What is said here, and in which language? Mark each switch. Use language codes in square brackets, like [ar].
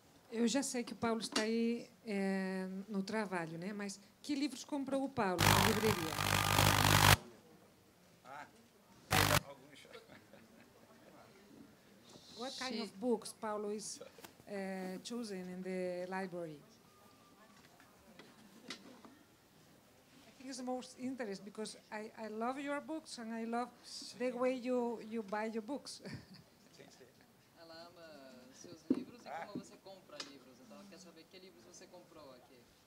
[pt] Eu já sei que o Paulo está aí no trabalho, né? Mas que livros comprou o Paulo na livraria? [en] What kind of books Paulo is choosing in the library? I think it's the most interesting, because I love your books and I love the way you buy your books. [pt] Ela ama seus livros e como você compra livros. Então ela quer saber que livros você comprou aqui.